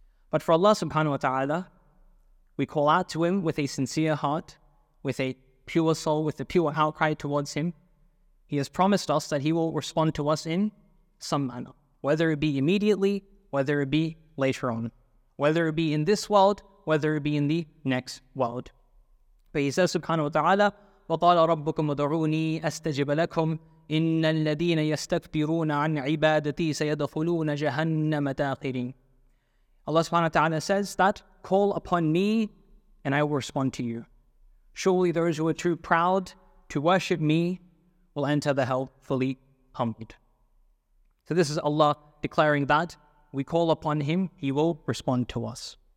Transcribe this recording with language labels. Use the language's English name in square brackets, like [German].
[English] But for Allah subhanahu wa ta'ala, we call out to Him with a sincere heart, with a pure soul, with a pure outcry towards Him. He has promised us that He will respond to us in some manner, whether it be immediately, whether it be later on, whether it be in this world, whether it be in the next world. But He says subhanahu wa ta'ala, [Arabic] وَقَالَ رَبُّكُمْ وَدَعُونِي أَسْتَجِبَ لَكُمْ إِنَّ الَّذِينَ يَسْتَكْبِرُونَ عَنْ عِبَادَتِي سَيَدْخُلُونَ جَهَنَّمَ دَاخِرِينَ. [English] Allah subhanahu wa ta'ala says that, call upon me and I will respond to you. Surely those who are too proud to worship me will enter the hell fully humbled. So this is Allah declaring that we call upon Him, He will respond to us.